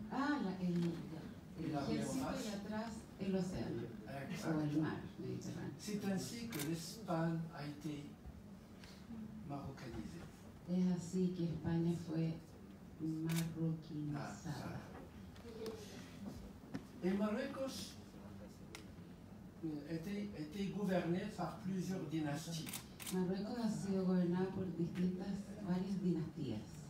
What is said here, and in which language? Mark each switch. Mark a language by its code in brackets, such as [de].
[es] Ah, el ejército y atrás el océano, o el mar. [fr] C'est ainsi que l'Espagne a été marocanisée. [es] Es así que España fue marroquinizada. [fr] Et Marruecos était gouverné par plusieurs dynasties. [es] Marruecos ha sido gobernado por varias dinastías.